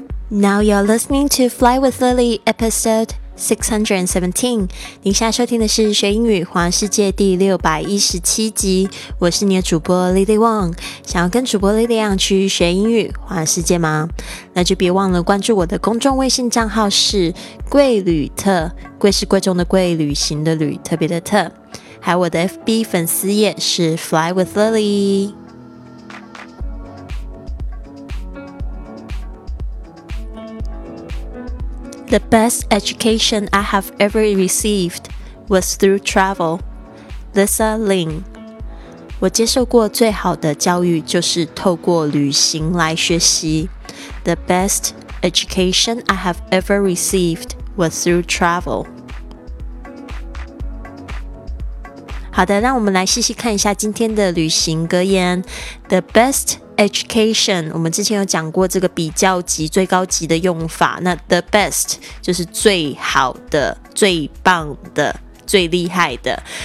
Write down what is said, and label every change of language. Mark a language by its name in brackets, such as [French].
[English] Now you're listening to Fly with Lily, episode 617. [Chinese] 您现在收听的是学英语环世界第617集。我是你的主播 Lily Wong。想要跟主播 Lily Wong 去学英语环世界吗？那就别忘了关注我的公众微信账号是贵旅特，贵是贵重的贵，旅行的旅，特别的特。还有我的 FB 粉丝页是 Fly with Lily。 [English] The best education I have ever received was through travel. Lisa Lin. [Chinese] 我接受过最好的教育就是透过旅行来学习。 [English] The best education I have ever received was through travel. [Chinese] 好的，让我们来细细看一下今天的旅行格言。 [English] The best education， [Chinese] 我们之前有讲过这个比较级最高级的用法，那 [English] the best [Chinese] 就是最好的最棒的最厉害的，